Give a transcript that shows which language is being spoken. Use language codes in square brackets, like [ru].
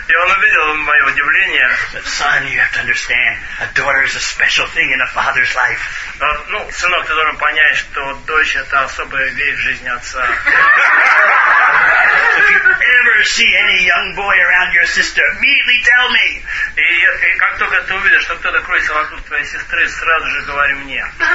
[ru] И он увидел мое удивление. [en] Son, you have to understand, a daughter is a special thing in a father's life. [ru] Ну, сынок, ты должен понять, что дочь это особая вещь в жизни отца. [en] If you ever see any young boy around your sister, immediately tell me. [ru] И как только ты увидишь, что кто-то крутится вокруг твоей сестры, сразу же говори мне.